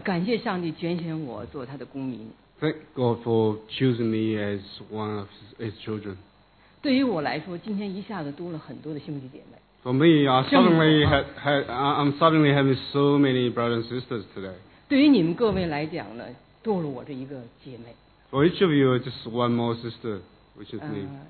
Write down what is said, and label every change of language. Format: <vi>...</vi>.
<zh>感谢上帝拣选我做他的公民。</zh> <en>Thank God for choosing me as one of His children.</en> <zh>对于我来说，今天一下子多了很多的兄弟姐妹。</zh> <en>For me, I'm suddenly having so many brothers and sisters today.</en> <zh>对于你们各位来讲呢，多了我这一个姐妹。</zh> <en>For each of you, just one more sister, which is me.</en>